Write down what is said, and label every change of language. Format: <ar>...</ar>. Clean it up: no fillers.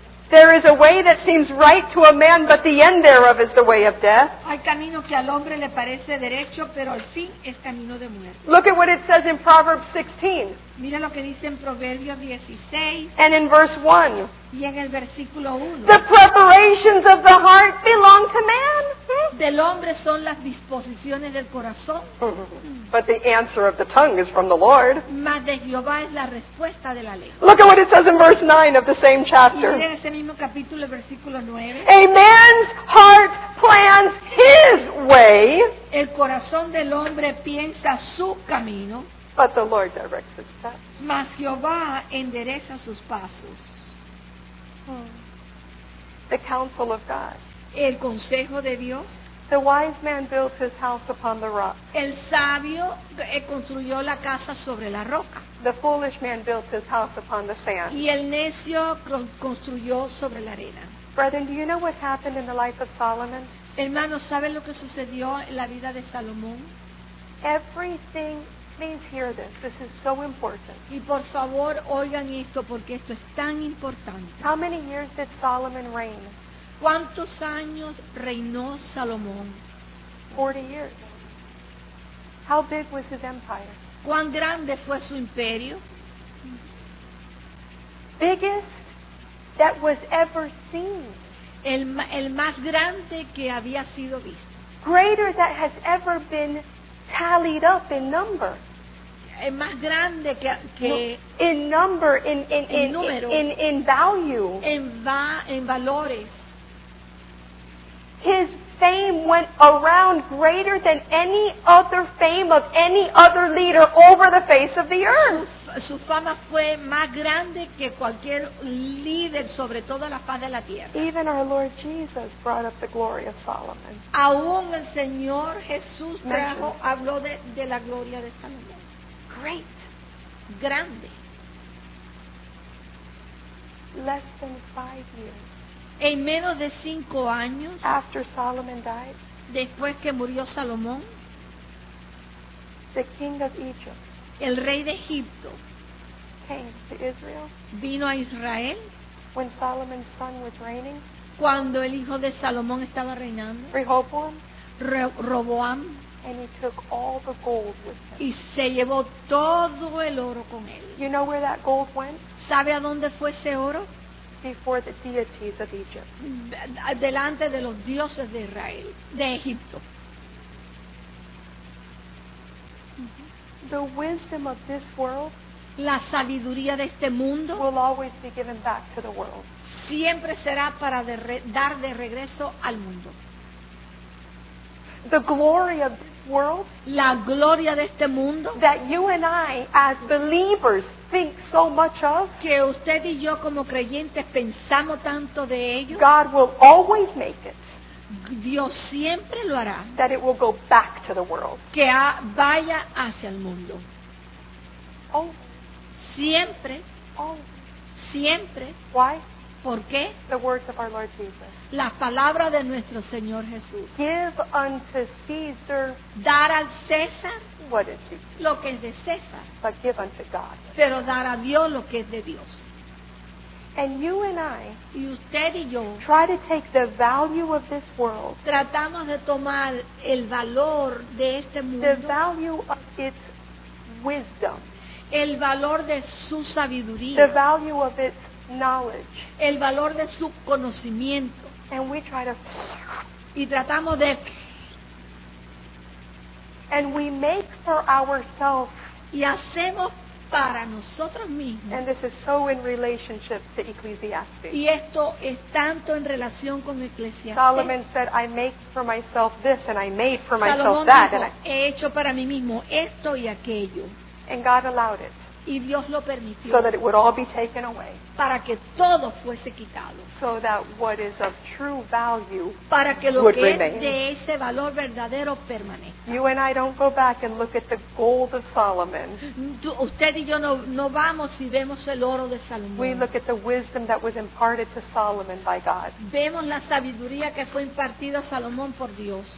<en>There is a way that seems right to a man, but the end thereof is the way of death.</en> <es>Hay camino que al hombre le parece derecho, pero al fin es camino de muerte.</es> <en>Look at what it says in Proverbs 16.</en> <es>Mira lo que dice en Proverbios 16.</es> <en>And in verse 1.</en> <es>Y en el versículo 1.</es> <en>The preparations of the heart belong to man.</en> <es>Del hombre son las disposiciones del corazón.</es> <en>But the answer of the tongue is from the Lord.</en> <es>Mas de Jehová es la respuesta de la ley.</es> <en>Look at what it says in verse 9 of the same chapter.</en> <es>Y en ese mismo capítulo, versículo 9.</es> <en>A man's heart plans his way.</en> <es>El corazón del hombre piensa su camino.</es> <en>But the Lord directs his steps.</en> <es>Mas Jehová endereza sus pasos.</es> <en>The counsel of God.</en> <es>El consejo de Dios.</es> <en>The wise man built his house upon the rock.</en> <es>El sabio construyó la casa sobre la roca.</es> <en>The foolish man built his house upon the sand.</en> <es>Y el necio construyó sobre la arena.</es> <en>Brethren, do you know what happened in the life of Solomon?</en> <es>Hermanos, ¿saben lo que sucedió en la vida de Salomón?</es> <en>Everything, please hear this. This is so important.</en> <es>Y por favor, oigan esto porque esto es tan importante.</es> <en>How many years did Solomon reign?</en> <es>¿Cuántos años reinó Salomón?</es> <en>40 years. How big was his empire?</en> <es>¿Cuán grande fue su imperio?</es> <en>Biggest that was ever seen.</en> <es>El más grande que había sido visto.</es> <en>Greater that has ever been tallied up in number.</en> <es>El más grande que</es> <en>in number, in número, in value.</en> <es>En valores.</es> <en>His fame went around greater than any other fame of any other leader over the face of the earth.</en> <es>Su fama fue más grande que cualquier líder sobre toda la faz de la tierra.</es> <en>Even our Lord Jesus brought up the glory of Solomon.</en> <es>Aún el Señor Jesús trajo, habló de la gloria de Salomón.</es> <en>Great.</en> <es>Grande.</es> <en>Less than 5 years.</en> <es>En menos de 5 años.</es> <en>After Solomon died.</en> <es>Después que murió Salomón.</es> <en>The king of Egypt.</en> <es>El rey de Egipto.</es> <en>Came to Israel.</en> <es>Vino a Israel.</es> <en>When Solomon's son was reigning.</en> <es>Cuando el hijo de Salomón estaba reinando.</es> <en>Rehoboam.</en> <es>Roboam.</es> <en>And he took all the gold with him.</en> <es>Y se llevó todo el oro con él.</es> <en>You know where that gold went?</en> <es>¿Sabe a dónde fue ese oro?</es> <en>Before the deities of Egypt.</en> <es>Delante de los dioses de Israel, de Egipto.</es> <en>The wisdom of this world,</en> <es>la sabiduría de este mundo,</es> <en>will always be given back to the world.</en> <es>Siempre será para dar de regreso al mundo.</es> <en>The glory of this world,</en> <es>la gloria de este mundo,</es> <en>that you and I as believers think so much of,</en> <es>que usted y yo como creyentes pensamos tanto de ello,</es> <en>God will always make it,</en> <es>Dios siempre lo hará,</es> <en>that it will go back to the world,</en> <es>que vaya hacia el mundo.</es> <en>Always.</en> <es>Siempre.</es> <en>Always.</en> <es>Siempre.</es> <en>Why?</en> <es>¿Por qué?</es> <en>The words of our Lord Jesus.</en> <es>La palabra de nuestro Señor Jesús.</es> <en>Give unto Caesar.</en> <es>Dar al César.</es> <en>What is it?</en> <es>Lo que es de César.</es> <en>But give unto God.</en> <es>Pero dar a Dios lo que es de Dios.</es> <en>And you and I.</en> <es>Y usted y yo.</es> <en>Try to take the value of this world.</en> <es>Tratamos de tomar el valor de este mundo.</es> <en>The value of its wisdom.</en> <es>El valor de su sabiduría.</es> <en>The value of its knowledge.</en> <es>El valor de su conocimiento.</es> <en>And we try to,</en> <es>y tratamos de,</es> <en>and we make for ourselves,</en> <es>y hacemos para nosotros mismos,</es> <en>and this is so in relationship to Ecclesiastes.</en> <es>Y esto es tanto en relación con Ecclesiastes.</es> <en>Solomon said, I make for myself this and I made for</en> <es>Salomón</es> <en>myself that</en> <es>dijo,</es> <en>and I,</en> <es>he hecho para mí mismo esto y aquello,</es> <en>and God allowed it.</en> <es>Y Dios lo permitió,</es> <en>so that it would all be taken away,</en> <es>para que todo fuese quitado,</es> <en>so that what is of true value,</en> <es>para que lo</es> <en>would</en> <es>que</es> <en>remain.</en> <es>De ese valor verdadero permanezca.</es> <en>You and I don't go back and look at the gold of Solomon.</en> <es>Usted y yo no vamos y vemos el oro de Salomón.</es> <en>We look at the wisdom that was imparted to Solomon by God.</en> <es>Vemos la sabiduría que fue impartida a Salomón por Dios.</es>